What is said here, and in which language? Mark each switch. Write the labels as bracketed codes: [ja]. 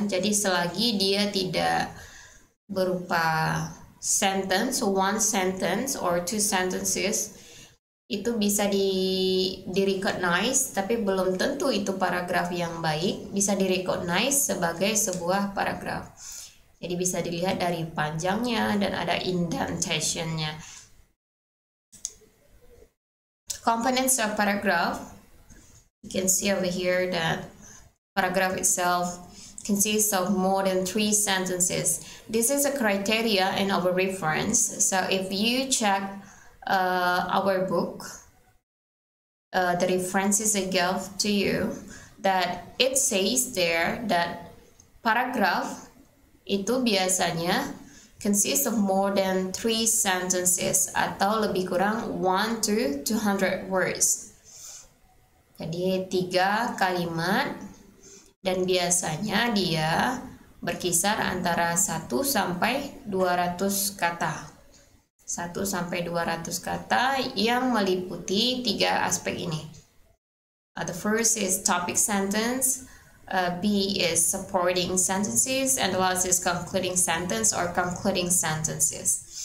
[id] Jadi selagi dia tidak berupa sentence, [en] one sentence or two sentences, [id] itu bisa di-recognize, tapi belum tentu itu paragraf yang baik, bisa di-recognize sebagai sebuah paragraf. Jadi bisa dilihat dari panjangnya dan ada indentation-nya. [en] Components of paragraph. You can see over here that paragraph itself consists of more than three sentences. This is a criteria in our reference. So if you check our book, the references I gave to you, that it says there that paragraph [id] itu biasanya [en] consists of more than three sentences [id] atau lebih kurang [en] 1 to 200 words. [id] Jadi tiga kalimat dan biasanya dia berkisar antara 1 sampai 200 kata. 1 sampai 200 kata yang meliputi tiga aspek ini. [en] The first is topic sentence. B is supporting sentences, and the last is concluding sentence or concluding sentences.